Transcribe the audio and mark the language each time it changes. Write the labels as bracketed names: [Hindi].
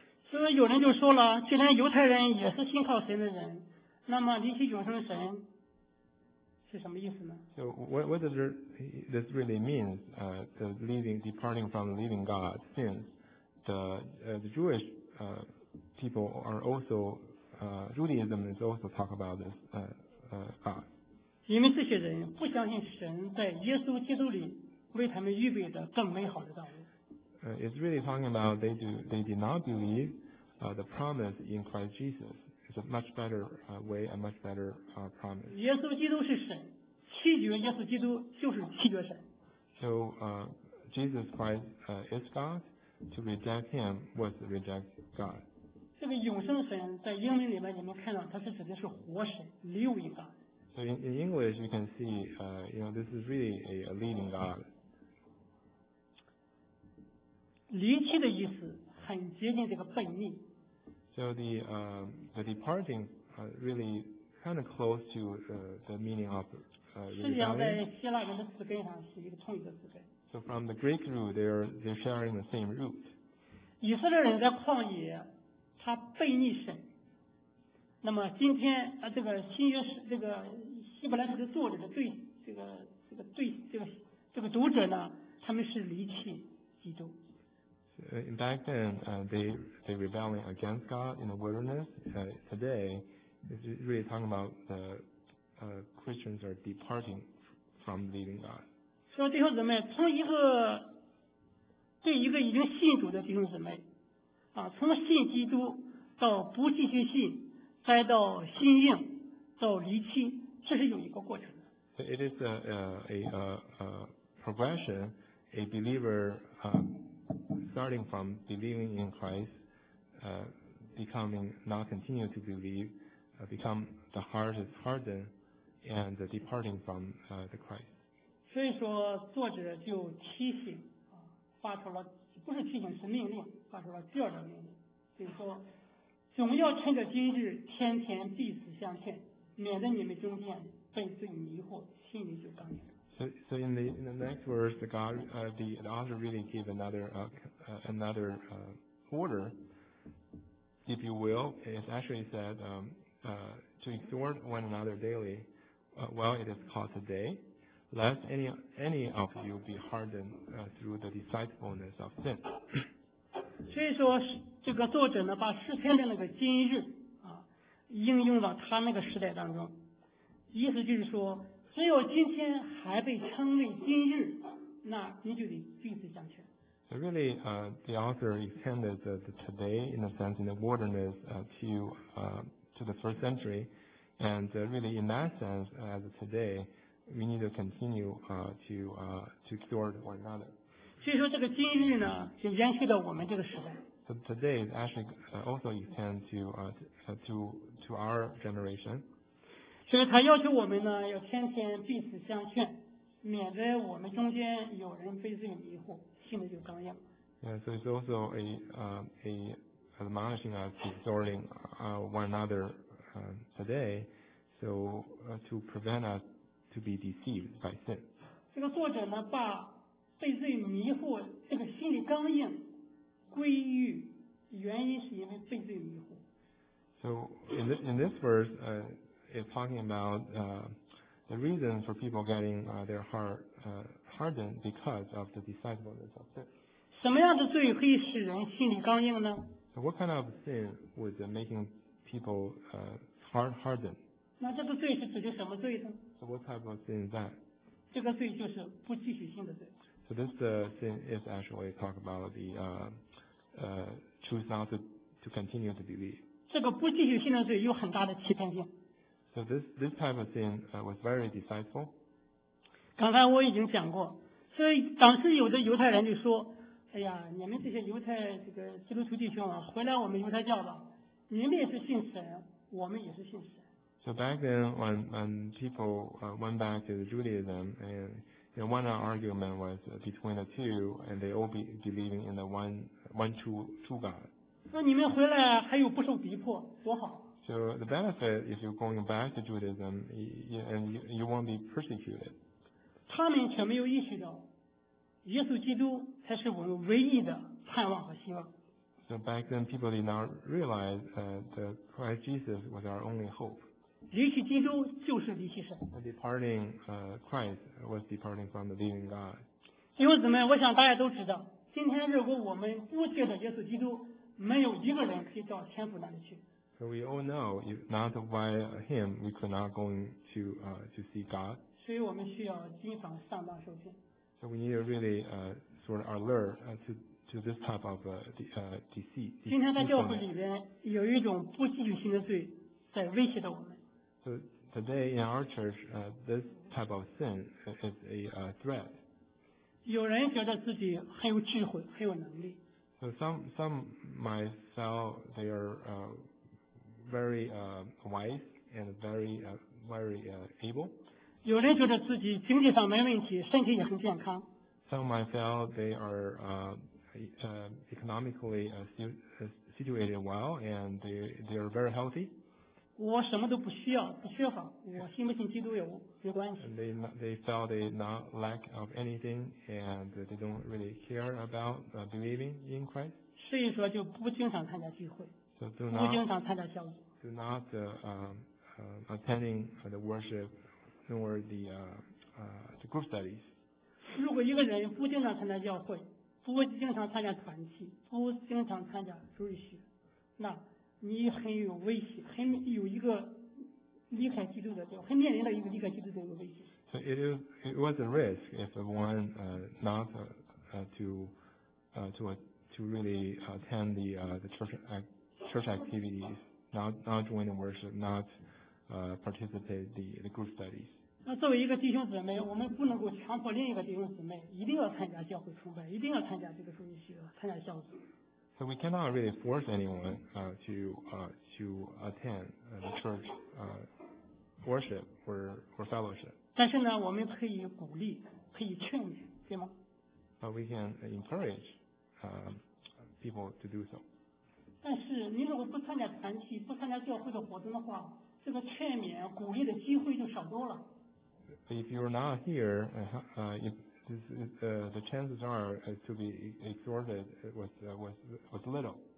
[Chinese] 所以有人就说了，既然犹太人也是信靠神的人。那么离弃永生神是什么意思呢 [English] ？So what does this really mean? The leaving, departing from the living God, since the Jewish people are also Judaism is also talk about this God. [Chinese] 因为这些人不相信神在耶稣基督里为他们预备的更美好的道路。 [English] It's really talking about they did not believe the promise in Christ Jesus. It's a much better way, a much better promise. [Chinese] 耶稣基督是神，弃绝耶稣基督就是弃绝神。 [English] So Jesus Christ is God. To reject him was to reject God. [Chinese] 这个永生神在英文里面你们看到，它是指的是活神 ， [English] living God. So in English, you can see, you know, this is really a living God. [Chinese] 离弃的意思很接近这个悖逆。 [English] So the departing really kind of close to the meaning of rebellion. So from the Greek root, they're sharing the same root. [Chinese] 以色列人在旷野，他悖逆神。那么今天这个新约这个希伯来书的作者的对这个对这个读者呢，他们是离弃基督。 [English] Back then, they rebelling against God in the wilderness. Today, it's really talking about the Christians are departing from leaving God. [Chinese] 说弟兄姊妹，从一个对一个已经信主的弟兄姊妹，从信基督到不继续信，再到信应，到离弃，这是有一个过程的。 [English] So it is a progression. A believer. Starting from believing in Christ, becoming not continue to believe, become the heart is hardened, and departing from the Christ. [Chinese] 所以说，作者就提醒，发出了不是提醒是命令，发出了第二个命令，就是说，总要趁着今日，天天彼此相劝，免得你们中间被罪迷惑，心里就刚硬。 [English] So in the next verse, the author really gave another order, if you will. It actually said to exhort one another daily, while it is called today, lest any of you be hardened through the deceitfulness of sin. [Chinese] 所以说，这个作者呢，把诗篇的那个今日啊，应用到他那个时代当中，意思就是说。只有今天还被称为今日，那你就得彼此相劝。 [English] So really, the author extended the today in a sense in the wilderness to the first century, and really in that sense as today, we need to continue to cure one another. [Chinese] 所以说这个今日呢，就延续到我们这个时代。 [English] So today is actually also extend to our generation. [Chinese] 所以他要求我们呢，要天天彼此相劝，免得我们中间有人被罪迷惑，信的就刚硬。 [English] Yeah, so it's also a admonishing us to exhorting one another today, so to prevent us to be deceived by sin. [Chinese] 这个作者呢，把被罪迷惑这个心理刚硬归于原因是因为被罪迷惑。 [English] So in this verse, it's talking about the reason for people getting their heart hardened because of the deceitfulness of sin. [Chinese] 什么样的罪可以使人心里刚硬呢？ [English] So what kind of sin would making people harden? [Chinese] 那这个罪是指的什么罪呢？ [English] So what type of sin is that? [Chinese] 这个罪就是不继续性的罪。 [English] So this sin is actually talk about the choose not to continue to believe. [Chinese] 这个不继续性的罪有很大的欺骗性。 [English] So this type of sin was very deceitful. [Chinese] 刚才我已经讲过，所以当时有的犹太人就说，哎呀，你们这些犹太这个基督徒弟兄啊，回来我们犹太教吧，你们也是信神，我们也是信神。 [English] So back then, when people went back to Judaism, and you know, one argument was between the two, and they all believing in the one true God. [Chinese] 那你们回来还有不受逼迫，多好。 [English] So the benefit if you're going back to Judaism, and you won't be persecuted. [Chinese] 他们却没有意识到。耶稣基督才是我们唯一的盼望和希望。 [English] So back then, people did not realize that Christ Jesus was our only hope. [Chinese] 离弃基督就是离弃神。 [English] And departing Christ was departing from the living God. [Chinese] 弟兄姊妹，我想大家都知道，今天如果我们不接着耶稣基督，没有一个人可以到天父那里去。 [English] So we all know, if not by Him, we could not go to see God. [Chinese] 所以我们需要经常上当受骗。 [English] So we need to really sort of alert to this type of deceit. [Chinese] 今天在教会里边有一种不继续性的罪在威胁着我们。 [English] So today in our church, this type of sin is a threat. [Chinese] 有人觉得自己很有智慧，很有能力。 [English] So some might feel they are very wise and very able. [Chinese] 有人觉得自己经济上没问题，身体也很健康。 [English] Some might feel they are economically situated well and they are very healthy. [Chinese] 我什么都不需要，不缺乏，我信不信基督也没关系。 [English] They felt they not lack of anything and they don't really care about believing in Christ. [Chinese] 所以说就不经常参加聚会。 [English] So not, [Chinese] 不经常参加小组。 [English] Do not attending the worship. Nor the group studies. [Chinese] 如果一个人不经常参加教会，不经常参加团契，不经常参加主日学，那你很有危险，很有一个离开基督的，很面临的一个离开基督的一个危险。 [English] So it was a risk if one not to really attend the church activities, not join the worship, not participate the group studies. [Chinese] 那作为一个弟兄姊妹，我们不能够强迫另一个弟兄姊妹一定要参加教会崇拜，一定要参加这个主日学，参加小组。 [English] So we cannot really force anyone to attend the church worship or fellowship. [Chinese] 但是呢，我们可以鼓励，可以劝勉，对吗？ [English] But we can encourage people to do so. [Chinese] 但是你如果不参加团契，不参加教会的活动的话，这个劝勉鼓励的机会就少多了。 [English] If you're not here, the chances are to be exhorted was little.